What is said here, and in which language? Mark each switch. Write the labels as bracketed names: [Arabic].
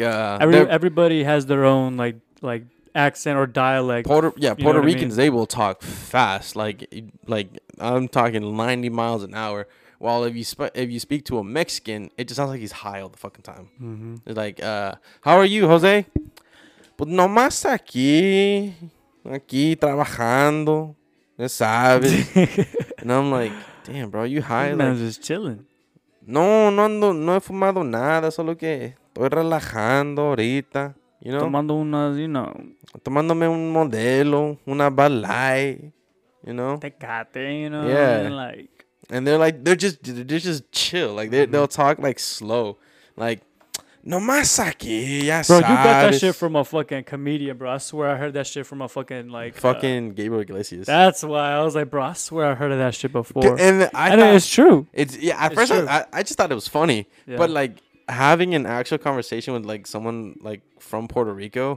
[English] everybody has their own like accent or dialect. Puerto Ricans, I mean? They will talk fast, like I'm talking 90 miles an hour, while if you speak to a Mexican, it just sounds like he's high all the fucking time. Mm-hmm. It's like, how are you, Jose? [Spanish] But no más aquí trabajando, ya sabes. [English] And I'm like, damn, bro, you high? Man's like, just chilling. [Spanish] No he fumado nada, solo que estoy relajando ahorita. [English] You know? [Spanish] Tomando unas, [English] you know. [Spanish] Tomándome un modelo, una balay, [English] you know? Tecate, you know? Yeah. And they're like, they're just chill. Like, they'll talk, like, slow. [Spanish] Like, no más aquí, ya sabes. [English] Bro, you got that shit from a fucking comedian, bro. I swear I heard that shit from a fucking, like. Fucking Gabriel Iglesias. That's why. I was like, bro, I swear I heard of that shit before. And it's true. It's, yeah, at it's first, I just thought it was funny. Yeah. But, like. Having an actual conversation with like someone like from Puerto Rico,